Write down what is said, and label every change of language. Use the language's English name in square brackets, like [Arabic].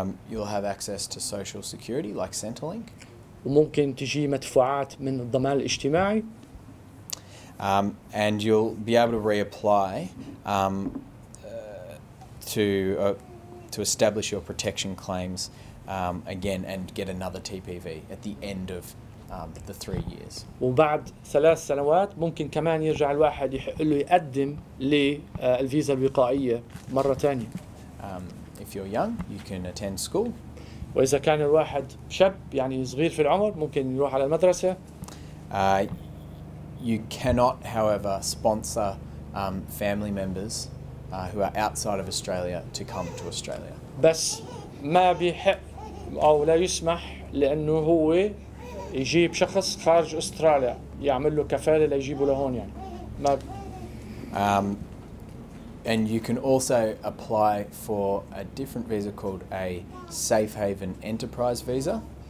[English] You'll have access to social security like Centrelink. [Arabic] وممكن تجي مدفوعات من الضمان الاجتماعي. [English] And you'll be able to reapply to establish your protection claims again and get another TPV at the end of the 3 years. [Arabic] وبعد 3 سنوات ممكن كمان يرجع الواحد يحقله يقدم للفيزا الوقائية مرة تانية. [English] If you're young, you can attend school. [Arabic] وإذا كان الواحد شاب يعني صغير في العمر ممكن يروح على المدرسة. [English] You cannot, however, sponsor family members who are outside of Australia to come to Australia. [Arabic] بس ما بيحق أو لا يسمح لأنه هو يجيب شخص خارج أستراليا يعمل له كفالة ليجيبه لهون يعني. [English] And you can also apply for a different visa called a safe haven enterprise visa.